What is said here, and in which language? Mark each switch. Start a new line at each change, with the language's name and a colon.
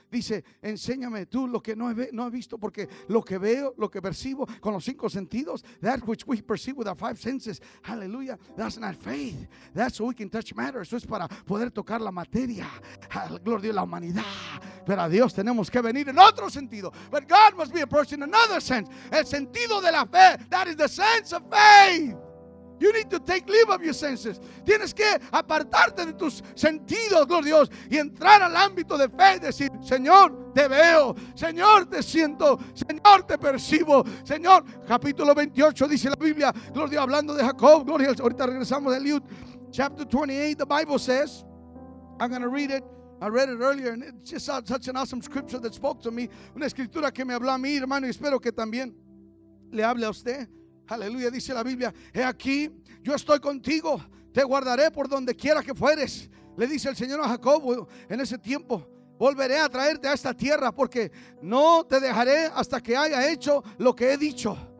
Spanish: Dice: enséñame tú lo que no he visto, porque lo que veo, lo que percibo con los cinco sentidos,
English: that which we perceive with our five senses,
Spanish: aleluya,
English: that's not faith. That's so we can touch matter.
Spanish: Eso es para poder tocar la materia. Gloria a la humanidad. Pero a Dios tenemos que venir en otro sentido.
English: But God must be approached in another sense.
Spanish: El sentido de la fe,
English: that is the sense of faith. You need to take leave of your senses.
Spanish: Tienes que apartarte de tus sentidos, gloria a Dios, y entrar al ámbito de fe y decir: Señor, te veo, Señor, te siento, Señor, te percibo. Señor, capítulo 28 dice la Biblia, gloria a Dios, hablando de Jacob, gloria a Dios. Ahorita regresamos a Eliud.
English: Chapter 28, the Bible says, I'm going to read it. I read it earlier and it's just such an awesome scripture that spoke to me.
Spanish: Una escritura que me habló a mí, hermano, y espero que también le hable a usted. Aleluya, dice la Biblia: he aquí, yo estoy contigo, te guardaré por donde quiera que fueres, le dice el Señor a Jacob. En ese tiempo volveré a traerte a esta tierra, porque no te dejaré hasta que haya hecho lo que he dicho.